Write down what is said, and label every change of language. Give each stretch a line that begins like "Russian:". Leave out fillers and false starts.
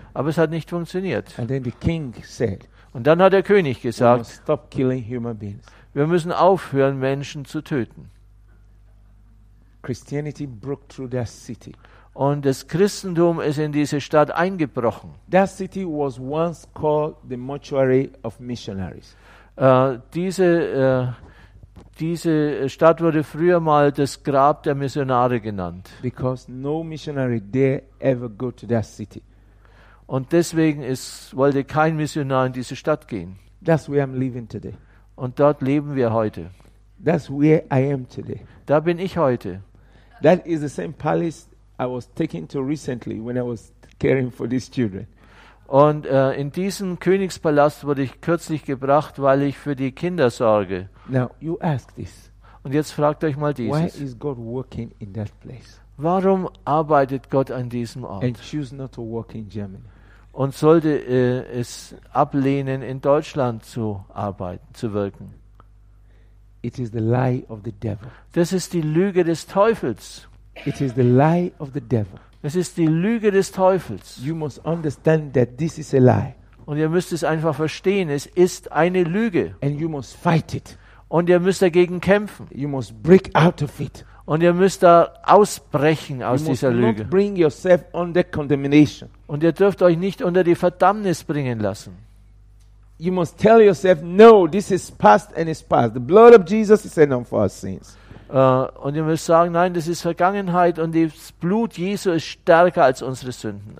German: Aber es hat nicht funktioniert.
English: And then the king said,
German: und dann hat der König gesagt,
English: stop killing human beings.
German: Wir müssen aufhören, Menschen zu töten.
English: Christianity broke through that city.
German: Und das Christentum ist in diese Stadt eingebrochen.
English: That city was once called the mortuary of missionaries.
German: Diese Stadt wurde früher mal das Grab der Missionare genannt.
English: Because no missionary dare ever go to that city.
German: Und deswegen wollte kein Missionar in diese Stadt gehen.
English: That's where I'm living today.
German: Und dort leben wir heute.
English: That's where I am today.
German: Da bin ich heute.
English: That is the same palace I was taken to recently when I was caring for these children.
German: Und in diesen Königspalast wurde ich kürzlich gebracht, weil ich für die Kinder sorge.
English: Now you ask this.
German: Und jetzt fragt euch mal dieses.
English: Why is God working in that place?
German: Warum arbeitet Gott an diesem Ort?
English: And choose not to work in Germany.
German: Und sollte es ablehnen, in Deutschland zu arbeiten, zu wirken.
English: It is the lie of the devil.
German: Das ist die Lüge des Teufels.
English: It is the lie of the devil.
German: Es ist die Lüge des Teufels.
English: You must understand that this is a lie.
German: Und ihr müsst es einfach verstehen, es ist eine Lüge.
English: And you must fight it.
German: Und ihr müsst dagegen kämpfen.
English: You must break out of it.
German: Und ihr müsst da ausbrechen aus dieser Lüge.
English: Not bring yourself under condemnation.
German: Und ihr dürft euch nicht unter die Verdammnis bringen lassen.
English: You must tell yourself, no, this is past and it's past. The blood of Jesus is enough for our sins.
German: Und ihr müsst sagen, nein, das ist Vergangenheit und das Blut Jesu ist stärker als unsere Sünden.